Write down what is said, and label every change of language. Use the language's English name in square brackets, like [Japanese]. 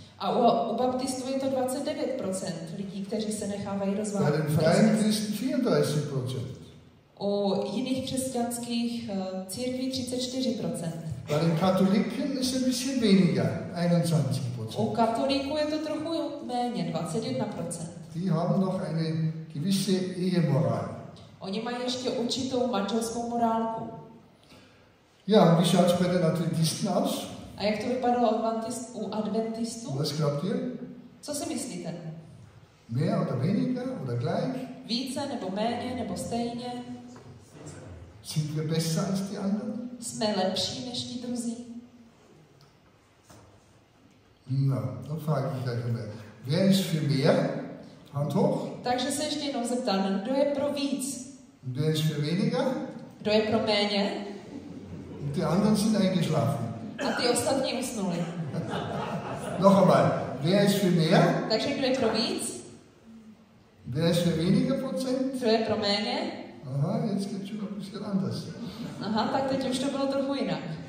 [Czech] A u baptistů je to 29% lidí, kteří se nechávají rozvádět. [German] Bei den freien Christen 34%. [Czech] U jiných křesťanských církví 34%. [German] Bei den Katholiken ist ein bisschen weniger, 21%. [Czech] U katolíků je to trochu méně, 21%. [German] Die haben noch eine gewisse Ehemoral. [Czech] Oni mají ještě určitou manželskou morálku. [German] Ja, und wie schaut es bei den Adventisten aus? [Czech] A jak to vypadalo u adventistů? [German] Was glaubt ihr? [Czech] Co si myslíte? [German] Mehr oder weniger oder gleich? [Czech] Více nebo méně nebo stejně? [German] Sind wir besser als die anderen? [Czech] Jsme lepší než ti druzí? [German] No, dann frage ich gleich mal. Wer ist für mehr? Hand hoch. [Czech] Takže se ještě jednou zeptám, kdo je pro víc? [German] Wer ist für weniger? [Czech] Kdo je pro méně? [German] Und die anderen sind eingeschlafen. [Czech] A ty ostatní usnuli. [German] Noch einmal. Wer ist für mehr? [Czech] Takže kdo je pro víc? [German] Wer ist für weniger Prozent? [Czech] Kdo je pro méně? [German] Aha, jetzt geht's schon ein bisschen anders. [Czech] Aha, tak teď už to bylo trochu jinak.